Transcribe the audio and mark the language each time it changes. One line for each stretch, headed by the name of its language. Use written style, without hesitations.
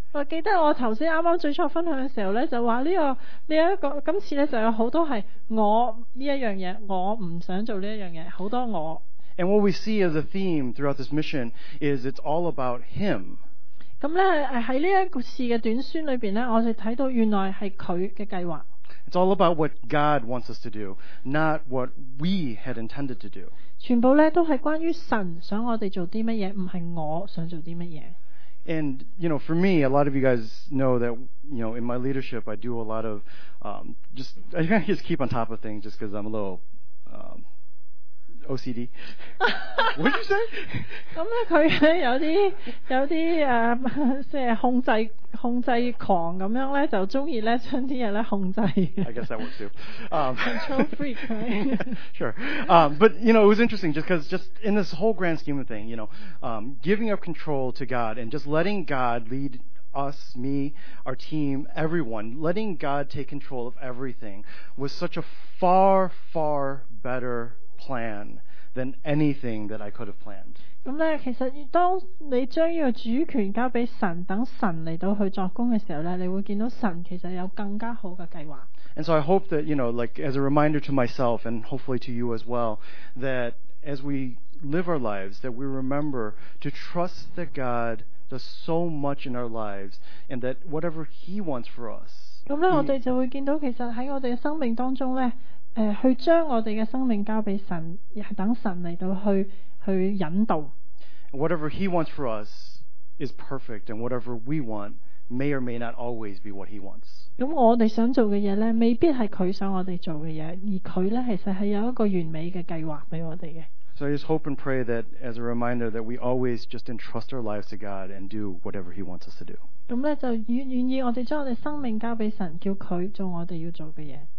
Cantonese: 我記得我頭先啱啱最初分享嘅時候咧，就話呢一個今次咧就有好多係我呢一樣嘢，我唔想做呢一樣嘢，好多我。
English: And what we see as a theme throughout this mission is it's all about him.
Cantonese: 咁咧喺呢一個事嘅短宣裏邊咧，我哋睇到原來係佢嘅計劃。
English: It's all about what God wants us to do, not what we had intended to do.
Cantonese: 全部咧都係關於神想我哋做啲乜嘢，唔係我想做啲乜嘢。
English: And you know, for me, a lot of you guys know that you know in my leadership, I do a lot of I just keep on top of things just because I'm a little. OCD. What did you say?
Cantonese: 咁咧，佢咧有啲即係控制狂咁樣咧，就中意咧將啲嘢咧控制。
English: I guess that works too. Control freak, right? Sure. But you know, it was interesting just because in this whole grand scheme of thing, you know, giving up control to God and just letting God lead us, me, our team, everyone, letting God take control of everything was such a far, far better. Plan than anything that I could have planned.
Cantonese: 咁咧，其實當你將呢個主權交俾神，等神嚟到去作工嘅時候咧，你會見到神其實有更加好嘅計劃。
English: And so I hope that you know, like as a reminder to myself, and hopefully to you as well, that as we live our lives, that we remember to trust that God does so much in our lives, and that whatever He wants for us.
Cantonese: 咁咧，我哋就會見到其實喺我哋嘅生命當中咧。去將我哋嘅生命交俾神，等神嚟到去引導。
English: Whatever He wants for us is perfect, and whatever we want may or may not always be what He wants.
Cantonese: 咁我哋想做嘅嘢咧，未必係佢想我哋做嘅嘢，而佢咧其實係有一個完美嘅計劃俾我哋嘅。
English: So I just hope and pray that as a reminder that we always just entrust our lives to God and do whatever He wants us to do.
Cantonese: 咁咧就願意我哋將我哋生命交俾神，叫佢做我哋要做嘅嘢。